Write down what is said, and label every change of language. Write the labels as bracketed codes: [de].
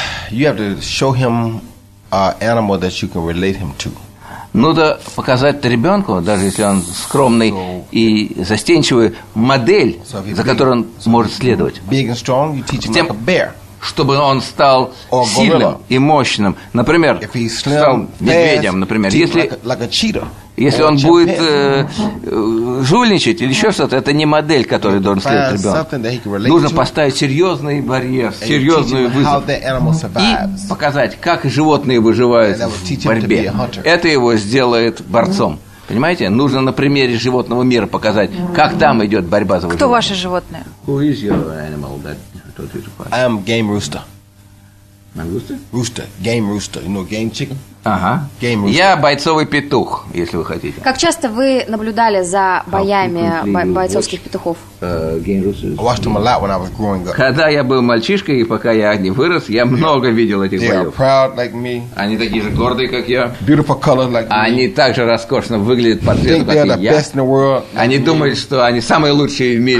[en] You have to show him animal that you can relate him to. [ru] Ну да, показать ребенку, даже если он скромный и застенчивый, модель, за которой он может следовать. [en] Big and strong, you teach him like a bear. [ru] Чтобы он стал сильным и мощным. Например, [en] slim, [ru] стал медведем, например. Если, если он будет жульничать или еще что-то, это не модель, которой должен следовать ребенок. Нужно поставить серьезный барьер, серьезный вызов. И показать, как животные выживают в борьбе. Это его сделает борцом. Понимаете? Нужно на примере животного мира показать, как там идет борьба за выживание. Кто ваше животное? [en] I am game rooster. Rooster? Game rooster. You know game chicken? [ru] Ага. [en] Game rooster. [ru] Я бойцовый петух, если вы хотите. Как часто вы наблюдали за боями бойцовских петухов? [en] I watched them a lot when I was growing up. [ru] Когда я был мальчишкой и пока я не вырос, я много видел этих боев. [en] They are proud like me. [ru] Они такие же гордые, как я. [en] Beautiful color like me. [ru] Они также роскошно выглядят по цвету, как и я. [en] They are the best in the world. [ru] Они думают, что они самые лучшие в мире.